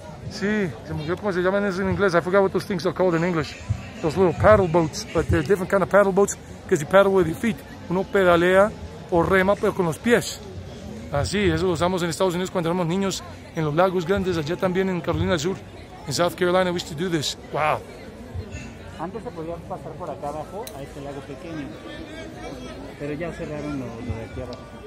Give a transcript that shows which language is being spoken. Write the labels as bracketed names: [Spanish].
[Spanish] Sí, se me olvidó cómo se llaman en inglés. [English] I forgot what those things are called in English. Those little paddle boats. But they're different kind of paddle boats because you paddle with your feet. [Spanish] Uno pedalea o rema pero con los pies. Así, eso lo usamos en Estados Unidos cuando éramos niños. En los lagos grandes, allá también en Carolina del Sur, en South Carolina, [English] we used to do this. Wow. [Spanish] Antes se podía pasar por acá abajo, a este lago pequeño. Pero ya cerraron lo de aquí abajo.